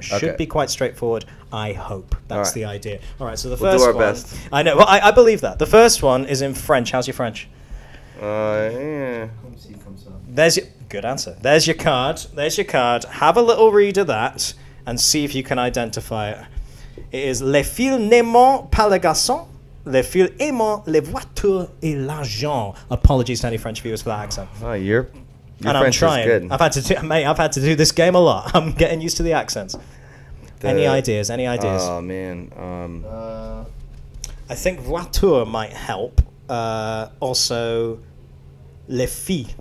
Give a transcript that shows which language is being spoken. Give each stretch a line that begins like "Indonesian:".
English: Should be quite straightforward, I hope. That's the idea. All right, so the first one. We'll do our best. I know. Well, I believe that. The first one is in French. How's your French? There's your good answer. There's your card. There's your card. Have a little read of that and see if you can identify it. It is
French: Les filles n'aiment pas les garçons, les filles aiment les voitures et l'argent.
English: Apologies to any French viewers for that accent. Oh, you're and I'm trying. Is good. I've had to do this game a lot. I'm getting used to the accents. Any ideas? Oh man. I think voiture might help. Also, les filles.